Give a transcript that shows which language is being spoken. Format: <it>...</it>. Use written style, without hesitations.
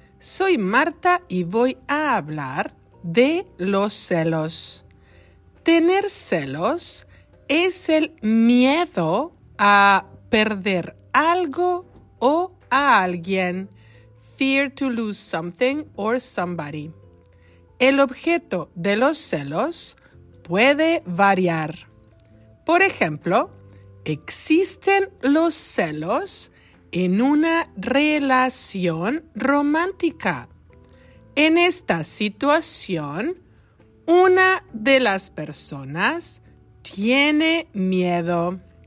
<es>Soy Marta y voy a hablar de los celos. Tener celos es el miedo a perder algo o a alguien.</es> <en>Fear to lose something or somebody.</en> <es>El objeto de los celos puede variar. Por ejemplo, existen los celos en una relación romántica. En esta situación, una de las personas tiene miedo.</es>